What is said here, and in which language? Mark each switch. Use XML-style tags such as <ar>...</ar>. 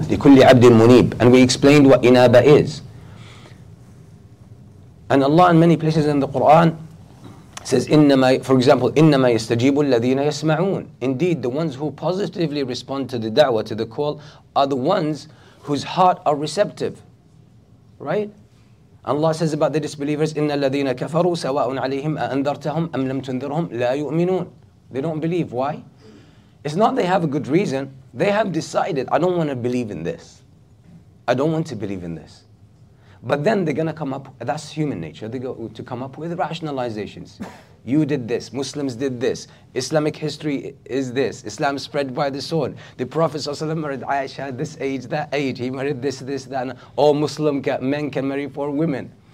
<ar>لِكُلِّ عَبْدٍ مُنِيبٍ.</ar> <en>And we explained what inaba is. And Allah in many places in the Quran says, إِنَّمَا, for example,</en> <ar>إِنَّمَا يَسْتَجِيبُ الَّذِينَ يَسْمَعُونَ.</ar> <en>Indeed, the ones who positively respond to the da'wah, to the call, are the ones whose heart are receptive. Right? Allah says about the disbelievers,</en> <ar>إِنَّ الَّذِينَ كَفَرُوا سَوَاءٌ عَلَيْهِمْ أَأَنذَرْتَهُمْ أَمْ لَمْ تُنذِرْهُمْ لَا يُؤْمِنُونَ.</ar> <en>They don't believe. Why? It's not they have a good reason. They have decided, I don't want to believe in this. I don't want to believe in this. But then they're going to come up, that's human nature, they go to come up with rationalizations. You did this, Muslims did this, Islamic history is this, Islam spread by the sword, the Prophet ﷺ married Aisha this age, that age, he married this, this, that, all Muslim men can marry four women.</en>